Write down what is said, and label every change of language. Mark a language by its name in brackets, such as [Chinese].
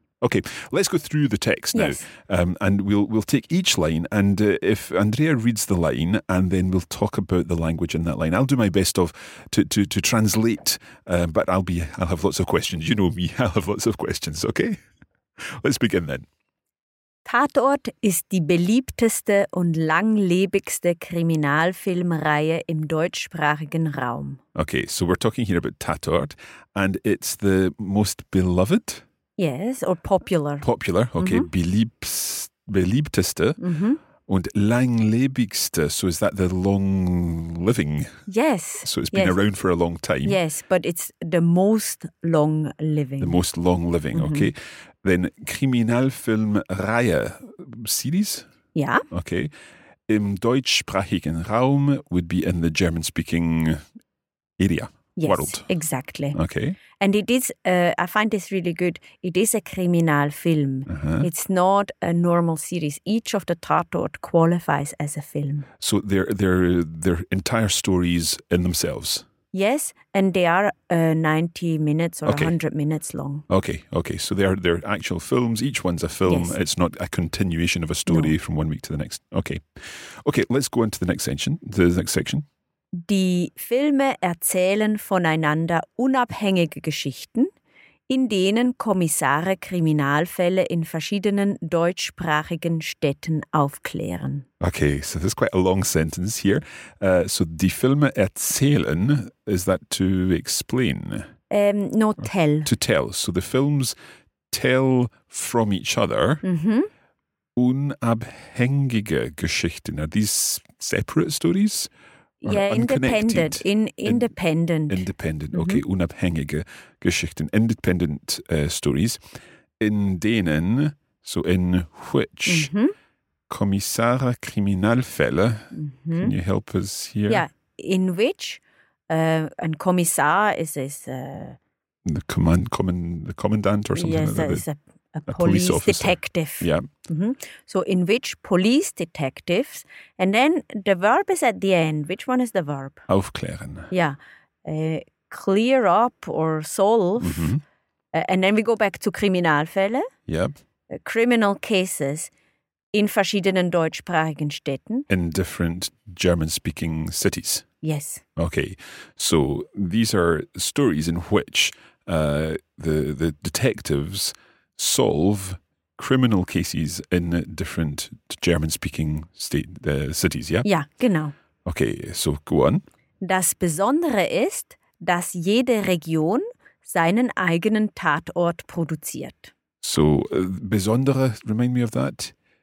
[English] Okay, let's go through the text now. Yes. And we'll take each line and if Andrea reads the line and then we'll talk about the language in that line. I'll do my best to translate, but I'll have lots of questions. You know me, I'll have lots of questions, okay? Let's begin then. [German] Tatort ist die beliebteste und langlebigste Kriminalfilmreihe im deutschsprachigen Raum. [English] Okay, so we're talking here about Tatort, and it's the most beloved? Yes, or popular. Popular, okay. Mm-hmm. [German] Beliebteste. Mm-hmm. Und langlebigste, [English] so is that the long living? Yes. So it's been around for a long time. Yes, but it's the most long living. The most long living, mm-hmm. Okay. Then Kriminalfilmreihe, series? Yeah. Okay. [German] Im deutschsprachigen Raum [English] would be in the German-speaking area, yes, world. Yes, exactly. Okay. And it is, I find this really good, it is a Kriminalfilm. Uh-huh. It's not a normal series. Each of the Tatort qualifies as a film. So they're entire stories in themselves? Yes, and they are 90 minutes or 100 minutes long. Okay. So they're actual films. Each one's a film. Yes. It's not a continuation of a story from one week to the next. Okay, let's go into the next section. [German] Die Filme erzählen voneinander unabhängige Geschichten, in denen Kommissare Kriminalfälle in verschiedenen deutschsprachigen Städten aufklären. [English] Okay, so this is quite a long sentence here. So [German] die Filme erzählen, [English] is that to explain? No, tell. To tell. So the films tell from each other. Mm-hmm. [German] Unabhängige Geschichten. [English] Are these separate stories? Yeah, independent. Independent. Independent, okay. Mm-hmm. [German] Unabhängige Geschichten. [English] Independent stories. [German] In denen, [English] so in which, mm-hmm. [German] Kommissare Kriminalfälle, [English] mm-hmm. Can you help us here? Yeah, in which, and Kommissar is this... The commandant or something, yes, like that. Yes, a police officer. Detective. Yeah. Mm-hmm. So in which police detectives, and then the verb is at the end. Which one is the verb? [German] Aufklären. [English] Yeah. Clear up or solve. Mm-hmm. And then we go back to Kriminalfälle. Yep. Criminal cases [German] in verschiedenen deutschsprachigen Städten. [English] In different German-speaking cities. Yes. Okay. So these are stories in which the detectives solve criminal cases in different German-speaking cities, yeah? [German] Ja, genau. [English] Okay, so go on. [German] Das Besondere ist, dass jede Region seinen eigenen Tatort produziert. [English] So, Besondere, remind me of that?